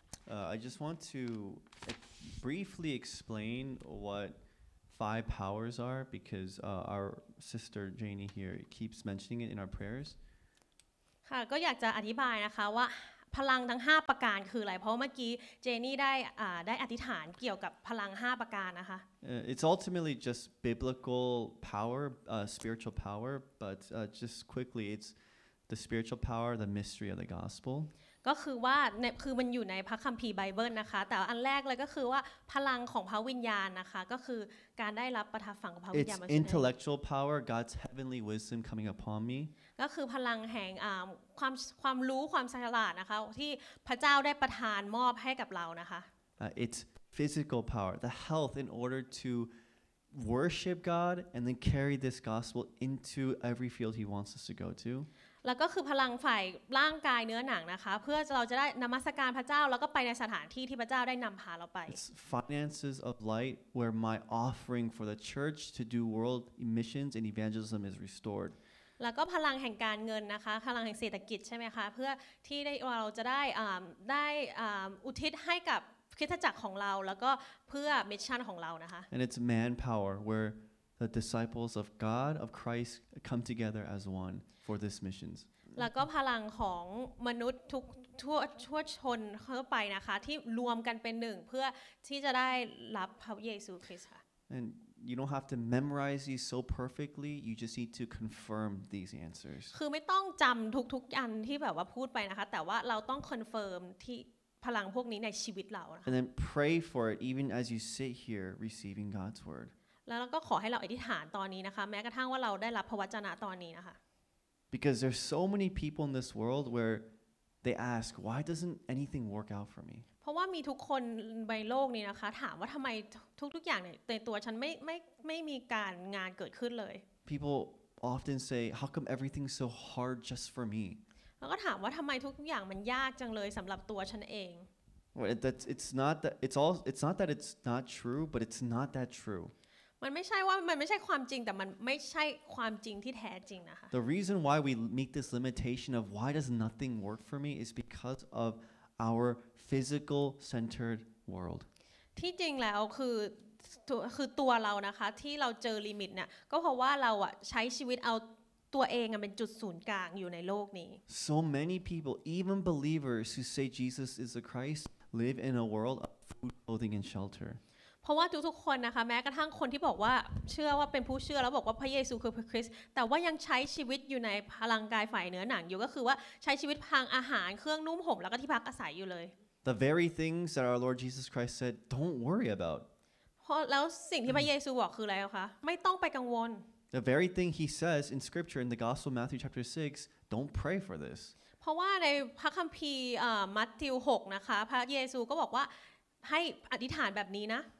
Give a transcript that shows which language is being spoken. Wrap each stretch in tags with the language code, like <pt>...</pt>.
<en>I just want to briefly explain what five powers are, because our sister Janie here keeps mentioning it in our prayers.</en> <th>ค่ะก็อยากจะอธิบายนะคะว่าพลังทั้ง5ประการคืออะไรเพราะเมื่อกี้เจนี่ได้อธิษฐานเกี่ยวกับพลัง5ประการนะคะ</th> <en>It's ultimately just biblical power spiritual power but just quickly it's the spiritual power the mystery of the gospel</en> <th>ก็คือว่าคือมันอยู่ในพระคัมภีร์ไบเบิลนะคะแต่อันแรกเลยก็คือว่าพลังของพระวิญญาณนะคะก็คือการได้รับประทับฝังของพระวิญญาณ</th> <en>It's intellectual power God's heavenly wisdom coming upon me</en> <th>ก็คือพลังแห่งความรู้ความฉลาดนะคะที่พระเจ้าได้ประทานมอบให้กับเรานะคะ</th> <en>It's physical power the health in order to worship God and then carry this gospel into every field he wants us to go to</en> <th>แล้วก็คือพลังฝ่ายร่างกายเนื้อหนังนะคะเพื่อเราจะได้นมัสการพระเจ้าแล้วก็ไปในสถานที่ที่พระเจ้าได้นำพาเราไป</th> <en>It's finances of light where my offering for the church to do world missions and evangelism is restored</en> <th>แล้วก็พลังแห่งการเงินนะคะพลังแห่งเศรษฐกิจใช่ไหมคะเพื่อที่ได้เราจะได้อุทิศให้กับคริสตจักรของเราแล้วก็เพื่อมิชชั่นของเรานะคะ</th> <en>And it's manpower where the disciples of God of Christ come together as one for this missions</en> <th>แล้วก็พลังของมนุษย์ทั่วชนเข้าไปนะคะที่รวมกันเป็นหนึ่งเพื่อที่จะได้รับพระเยซูคริสต์ค่ะ</th> <en>AndYou don't have to memorize these so perfectly. You just need to confirm these answers.</en> <th>คือไม่ต้องจำทุกอันที่แบบว่าพูดไปนะคะแต่ว่าเราต้องคอนเฟิร์มที่พลังพวกนี้ในชีวิตเรา</th> <en>And then pray for it even as you sit here receiving God's word.</en> <th>แล้วก็ขอให้เราอธิษฐานตอนนี้นะคะแม้กระทั่งว่าเราได้รับพระวจนะตอนนี้นะคะ</th> <en>Because there's so many people in this world where they ask, why doesn't anything work out for me?</en> <th>เพราะว่ามีทุกคนในโลกนี้นะคะถามว่าทำไมทุกอย่างในตัวฉันไม่มีการงานเกิดขึ้นเลย</th> <en>People often say how come everything's so hard just for me</en> <th>แล้วก็ถามว่าทำไมทุกอย่างมันยากจังเลยสำหรับตัวฉันเอง</th> <en>Well it's not that it's not true but it's not that true</en> <th>มันไม่ใช่ความจริงแต่มันไม่ใช่ความจริงที่แท้จริงนะคะ</th> <en>The reason why we meet this limitation of why does nothing work for me is because ofOur physical-centered world.</en> <th>ที่จริงแล้วคือตัวเรานะคะที่เราเจอลิมิตเนี่ยก็เพราะว่าเราอ่ะใช้ชีวิตเอาตัวเองอ่ะเป็นจุดศูนย์กลางอยู่ในโลกนี้</th> <en>So many people, even believers who say Jesus is the Christ, live in a world of food, clothing, and shelter.</en> <th>เพราะว่าทุกๆคนนะคะแม้กระทั่งคนที่บอกว่าเชื่อว่าเป็นผู้เชื่อแล้วบอกว่าพระเยซูคือพระคริสต์แต่ว่ายังใช้ชีวิตอยู่ในพลังกายฝ่ายเนื้อหนังอยู่ก็คือว่าใช้ชีวิตทางอาหารเครื่องนุ่มห่มแล้วก็ที่พักอาศัยอยู่เลย</th> <en>The very things that our Lord Jesus Christ said don't worry about</en> <th>แล้วสิ่งที่พระเยซูบอกคืออะไรคะไม่ต้องไปกังวล</th> <en>The very thing he says in scripture in the gospel Matthew chapter 6 don't pray for this</en> <th>เพราะว่าในพระคัมภีร์มัทธิว6นะคะพระเยซูก็บอกว่าให้อธิษฐานแบบนี้นะ</th>